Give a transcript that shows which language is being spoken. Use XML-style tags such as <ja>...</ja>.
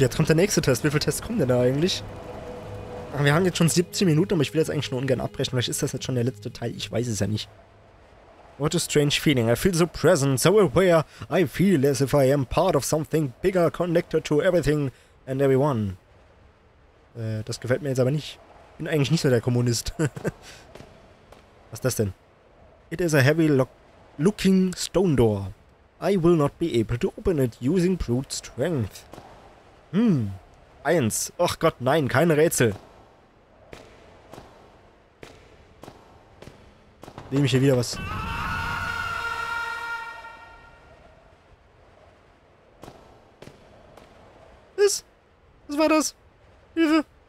<de>Jetzt kommt der nächste Test. Wie viele Tests kommen denn da eigentlich? Wir haben jetzt schon 17 Minuten, aber ich will jetzt eigentlich nur ungern abbrechen. Vielleicht ist das jetzt schon der letzte Teil. Ich weiß es ja nicht.</de> <en>What a strange feeling. I feel so present, so aware. I feel as if I am part of something bigger, connected to everything and everyone.</en> <de>Das gefällt mir jetzt aber nicht. Bin eigentlich nicht so der Kommunist. Was ist das denn?</de> <en>It is a heavy looking stone door. I will not be able to open it using brute strength.</en> <de>Eins. Och Gott, nein, keine Rätsel. Nehme ich hier wieder was. Was war das? Hilfe!</de>